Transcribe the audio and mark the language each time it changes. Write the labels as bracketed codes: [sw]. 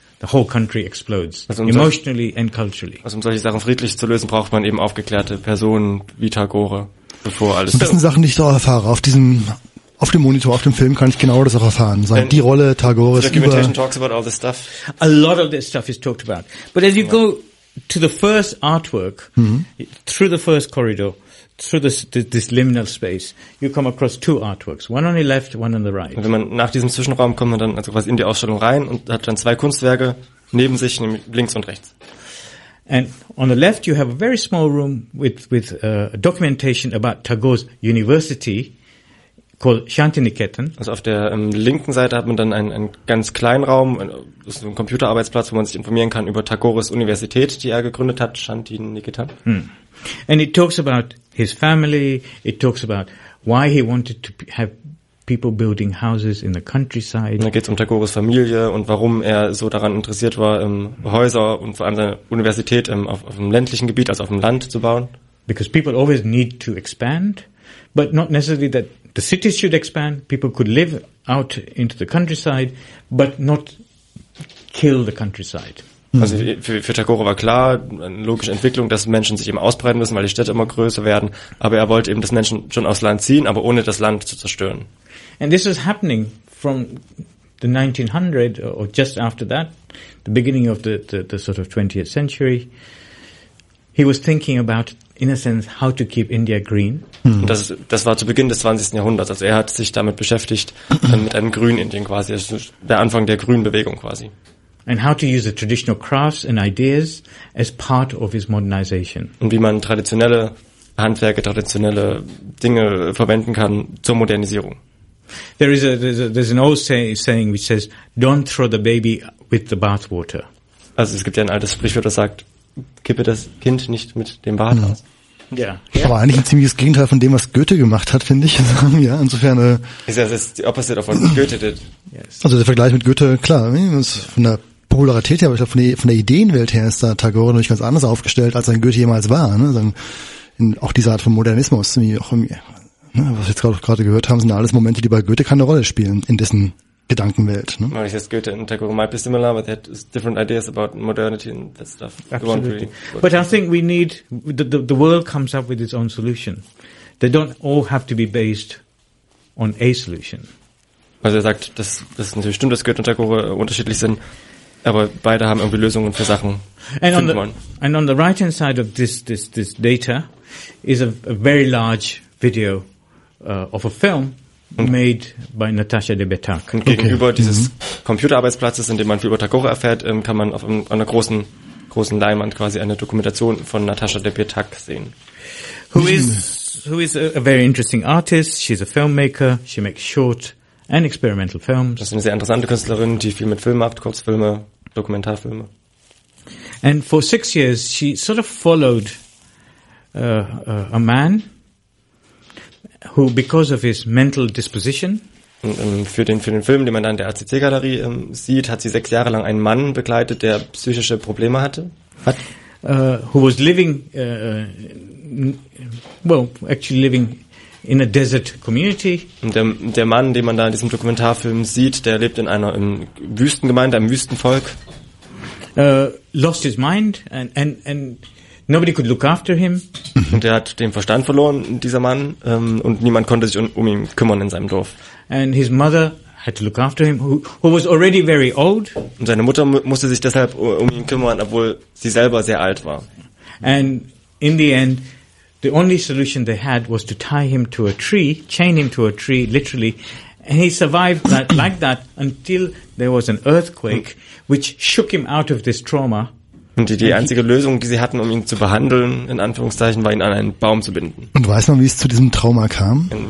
[en] The whole country explodes, also emotionally and culturally. [de] Also um solche Sachen friedlich zu lösen, braucht man eben aufgeklärte Personen wie Tagore, bevor alles... Das sind Sachen, die ich so erfahre. Auf dem Monitor, auf dem Film kann ich genau das auch erfahren. Sein, die Rolle Tagore ist über... [en] Documentation talks about all this stuff. A lot of this stuff is talked about. But as you go to the first artwork, through the first corridor, through this liminal space, you come across two artworks, one on the left, one on the right. [de] Und wenn man nach diesem Zwischenraum kommt, man dann also quasi in die Ausstellung rein und hat dann zwei Kunstwerke neben sich, links und rechts. [en] And on the left you have a very small room with documentation about Tagore's university called Shantiniketan. [de] Also auf der linken Seite hat man dann einen ganz kleinen Raum, das ist ein Computerarbeitsplatz, wo man sich informieren kann über Tagores Universität, die er gegründet hat, Shantiniketan. [en] And it talks about his family, it talks about why he wanted to have people building houses in the countryside. [de] Da geht's um Tagores Familie und warum er so daran interessiert war, Häuser und vor allem seine Universität auf dem ländlichen Gebiet, also auf dem Land zu bauen. [en] Because people always need to expand, but not necessarily that the cities should expand. People could live out into the countryside, but not kill the countryside. [de] Also für Tagore war klar, eine logische Entwicklung, dass Menschen sich eben ausbreiten müssen, weil die Städte immer größer werden. Aber er wollte eben, dass Menschen schon aus Land ziehen, aber ohne das Land zu zerstören. [en] And this was happening from the 1900 or just after that, the beginning of the sort of 20th century. He was thinking about, in a sense, how to keep India green. [de] Das war zu Beginn des 20. Jahrhunderts. Also er hat sich damit beschäftigt, mit einem grünen Indien quasi. Das ist der Anfang der grünen Bewegung quasi. [en] And how to use the traditional crafts and ideas as part of his modernization. [de] Und wie man traditionelle Handwerke, traditionelle Dinge verwenden kann zur Modernisierung. [en] There's an old saying which says, don't throw the baby with the bathwater. [de] Also es gibt ja ein altes Sprichwort, das sagt, kippe das Kind nicht mit dem Bad aus. Ja. Aber eigentlich ein ziemliches Gegenteil von dem, was Goethe gemacht hat, finde ich. Ja, insofern. [en] Ist the opposite of what Goethe did. Yes. [de] Also der Vergleich mit Goethe, klar, ist von der Popularität her, aber ich glaube, von der Ideenwelt her ist da Tagore natürlich ganz anders aufgestellt, als ein Goethe jemals war. Ne? Also auch diese Art von Modernismus, wie auch im, ne, was wir jetzt gerade gehört haben, sind alles Momente, die bei Goethe keine Rolle spielen, in dessen Gedankenwelt. Ne? [en] Well, [de] ich sage, [en] Goethe und Tagore might be similar, but they had different ideas about modernity and that stuff. Absolutely. But I think we need, the world comes up with its own solution. They don't all have to be based on a solution. [de] Also er sagt, das ist natürlich stimmt, dass Goethe und Tagore unterschiedlich sind, aber beide haben irgendwie Lösungen für Sachen [en] And on the right hand side of this data is a very large video of a film made by Natasha de Bettag. [de] Und gegenüber dieses Computerarbeitsplatzes, in dem man viel über Tagore erfährt, kann man auf einer großen Leinwand quasi eine Dokumentation von Natasha de Bettag sehen. [en] Who is a very interesting artist. She's a filmmaker. She makes short and experimental films. [de] Das ist eine sehr interessante Künstlerin, die viel mit Filmen macht, Kurzfilme, Dokumentarfilme. [en] And for 6 years, she sort of followed a man who, because of his mental disposition, [de] für den Film, den man dann in der ACC-Galerie sieht, hat sie 6 Jahre lang einen Mann begleitet, der psychische Probleme hatte. [en] Who was living, living in a desert community. [de] Und der Mann, den man da in diesem Dokumentarfilm sieht, der lebt in einer Wüstengemeinde, einem Wüstenvolk. [en] Lost his mind and nobody could look after him. [de] Und er hat den Verstand verloren, dieser Mann, und niemand konnte sich um ihn kümmern in seinem Dorf. [en] And his mother had to look after him, who was already very old. [de] Und seine Mutter musste sich deshalb um ihn kümmern, obwohl sie selber sehr alt war. [en] And in the end, the only solution they had was to tie him to a tree, chain him to a tree, literally. And he survived that, like that, until there was an earthquake, which shook him out of this trauma. [de] Und die einzige Lösung, die sie hatten, um ihn zu behandeln, in Anführungszeichen, war ihn an einen Baum zu binden. Und weißt du, wie es zu diesem Trauma kam?